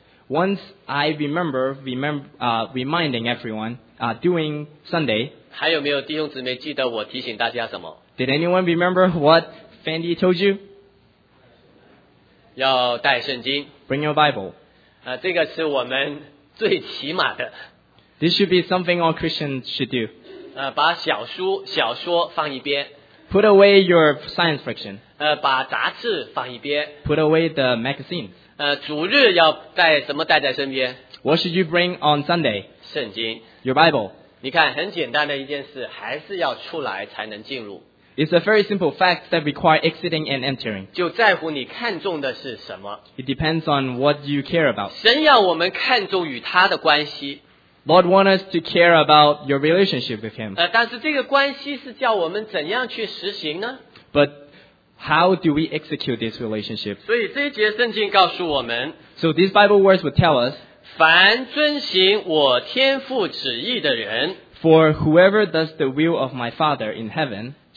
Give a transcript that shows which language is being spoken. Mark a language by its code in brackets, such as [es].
[en] But once I reminding everyone, during Sunday, [zh] 还有没有弟兄姊妹记得我提醒大家什么? [en] Did anyone remember what Fandy told you? [zh] 要带圣经。 [en] Bring your Bible. [zh] 这个是我们最起码的。 [en] This should be something all Christians should do. [zh] 把小书、小说放一边。 [en] Put away your science fiction. [zh] 把杂志放一边。 [en] Put away the magazine. [zh] 主日要带什么带在身边? [en] What should you bring on Sunday? [zh] 圣经。 [en] Your Bible. [zh] 你看,很简单的一件事,还是要出来才能进入。 [en] It's a very simple fact that requires exiting and entering. [zh] 就在乎你看重的是什么。 [en] It depends on what you care about. [zh] 神要我们看重与他的关系。 [en] Lord wants us to care about your relationship with him. [zh] 但是这个关系是叫我们怎样去实行呢? [en] But how do we execute this relationship? [zh] 所以这一节圣经告诉我们, [en] So these Bible words would tell us, [zh] 凡遵行我天父旨意的人, [en] For whoever does the will of my Father in heaven,